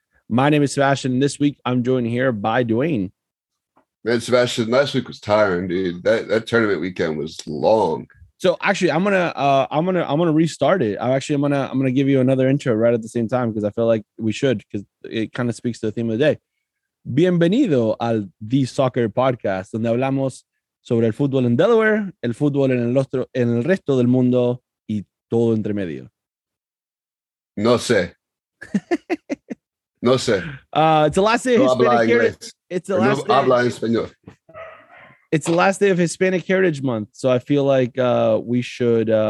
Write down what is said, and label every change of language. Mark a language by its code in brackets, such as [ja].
[en] My name is Sebastian, and this week I'm joined here by Duane. Man, Sebastian, last week was tiring, dude. That tournament weekend was long. So actually, I'm gonna restart it. I'm gonna give you another intro right at the same time because I feel like we should, because it kind of speaks to the theme of the day. [es] Bienvenido al The Soccer Podcast, donde hablamos sobre el fútbol en Delaware, el fútbol en el resto del mundo y todo entre medio. No sé. No sé. [en] It's the last day of Hispanic Heritage. It's the last day. [es] Habla en español. [en] It's the last day of Hispanic Heritage Month, so I feel like we should.